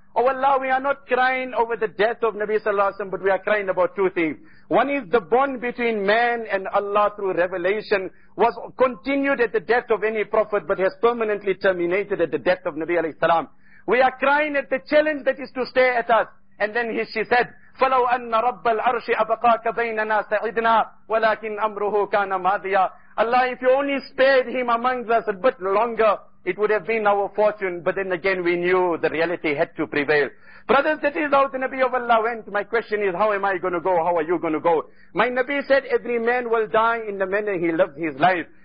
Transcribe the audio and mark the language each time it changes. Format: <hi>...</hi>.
<en>Oh Allah, we are not crying over the death of Nabi sallallahu alayhi wa sallam, but we are crying about two things. One is the bond between man and Allah through revelation was continued at the death of any prophet, but has permanently terminated at the death of Nabi alayhi salam. We are crying at the challenge that is to stay at us. And then she said,</en> <ar>فَلَوْ أَنَّ رَبَّ الْعَرْشِ أَبَقَاكَ بَيْنَنَا سَعِدْنَا وَلَكِنْ أَمْرُهُ كَانَ مَاذِيَا.</ar> <en>Allah, if you only spared him amongst us a bit longer, it would have been our fortune. But then again, we knew the reality had to prevail. Brothers, that is how the Nabi of Allah went. My question is, how am I going to go? How are you going to go? My Nabi said, every man will die in the manner he lived his life.</en>